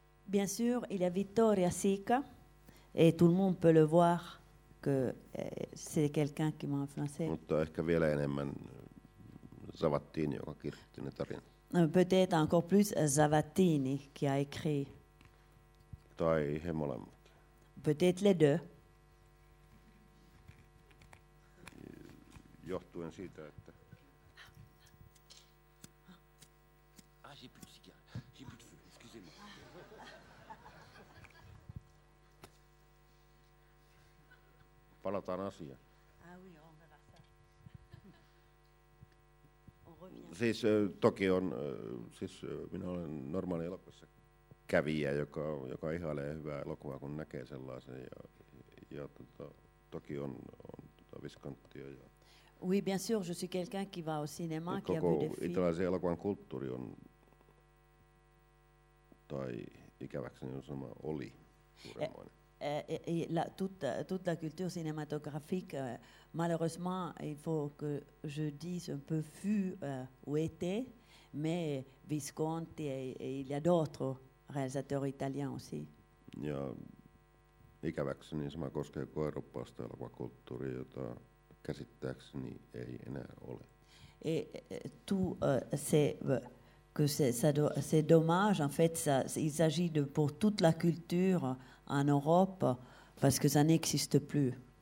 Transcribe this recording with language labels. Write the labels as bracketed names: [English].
[French] Bien sûr, il y a Vittorio Sica et tout le monde peut le voir que c'est quelqu'un qui m'a influencé. [Finnish] Mutta ehkä vielä enemmän Zavattini, joka kirjoitti ne tarinat. [French] Peut-être encore plus Zavattini qui a écrit. [Finnish] Tai he molemmat. [French] Peut-être les deux. [Finnish] Johtuen siitä, että palataan asiaan. Siis toki on, siis minä olen normaali elokuvassa kävijä, joka ihailee hyvää elokuvaa, kun näkee sellaisen. Ja toki on Viscontia. Ja [French] oui, bien sûr, je suis quelqu'un qui va au cinéma, qui a vu des films. [Finnish] Italaisen elokuvan kulttuuri on, tai ikäväkseni on sama, oli suuremmoinen. [French] Toute la culture cinématographique, malheureusement, il faut que je dise un peu fut ou était, mais Visconti et il y a d'autres réalisateurs italiens aussi. [Finnish] Ja ikäväkseni sama koskee kuin eurooppalaista elokuvakulttuuria, jota käsittääkseni ei enää ole. [French] Et tout c'est que c'est dommage, en fait, il s'agit de pour toute la culture en Europe, parce que ça n'existe plus.